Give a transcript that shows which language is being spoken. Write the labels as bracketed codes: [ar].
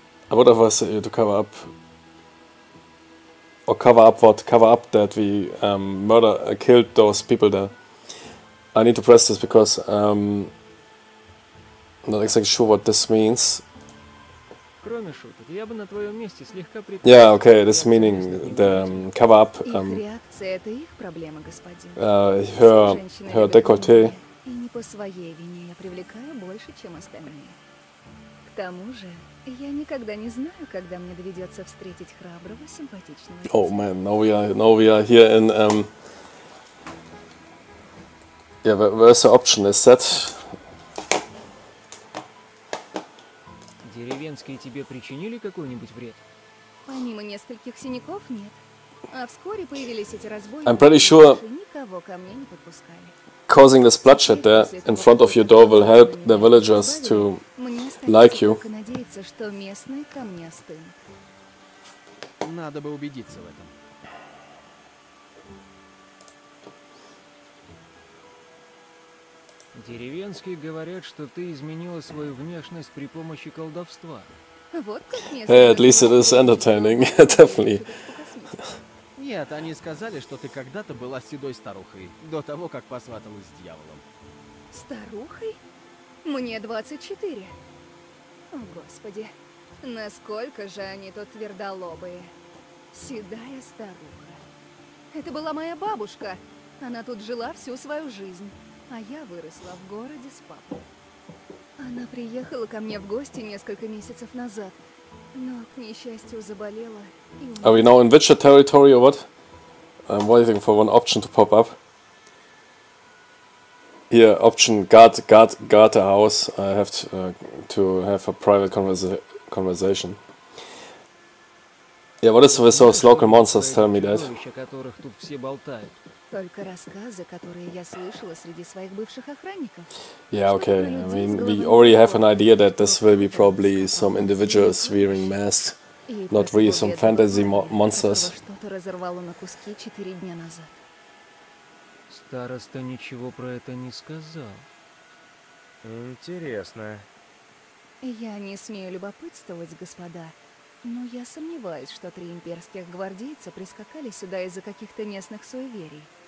[en] I would advise you to cover up that we killed those people there. I need to press this because I'm not exactly sure what this means. [ru] Кроме шуток, я бы на твоем месте слегка прикрыл. [en] Yeah, okay, this meaning the cover up. [ru] Реакция — это их проблема, господин. [en] Her décolleté. [ru] И не по своей вине я привлекаю больше, чем остальные. К тому же, я никогда не знаю, когда мне доведется встретить храброго, симпатичного. [en] Oh man, now we are here in yeah, where's the option? Is that? [ru] Деревенские тебе причинили какой-нибудь вред? Помимо нескольких синяков, нет. А вскоре появились эти разбойники. [en] I'm pretty sure [ru] никого ко мне не подпускали. [en] Causing this bloodshed there in front of your door will help the villagers to like you. [ru] Мне надеяться, что местные ко мне остынут. Надо бы убедиться в этом. Деревенские говорят, что ты изменила свою внешность при помощи колдовства. Вот как местные. [en] At least it is entertaining, definitely. [ru] Нет, они сказали, что ты когда-то была седой старухой, до того, как посваталась с дьяволом. Старухой? Мне 24. О, господи, насколько же они тут твердолобые. Седая старуха. Это была моя бабушка. Она тут жила всю свою жизнь. А я выросла в городе с папой. Она приехала ко мне в гости несколько месяцев назад, но, к несчастью, заболела. [en] Are we now in Witcher territory or what? I'm waiting for one option to pop up. Here, yeah, option guard the house. I have to have a private conversation. Yeah, what is with those local monsters? Tell me that. [ru] О которых тут все болтают. Только рассказы, которые я слышала среди своих бывших охранников. [en] Yeah, okay. I mean, we already have an idea that this will be probably some individuals wearing masks, not really some fantasy monsters. [ru] Что-то разорвало на куски 4 дня назад. Староста ничего про это не сказал. Интересно. Я не смею любопытствовать, господа, Но я сомневаюсь, что три имперских гвардейца прискакали сюда из-за каких-то местных суеверий.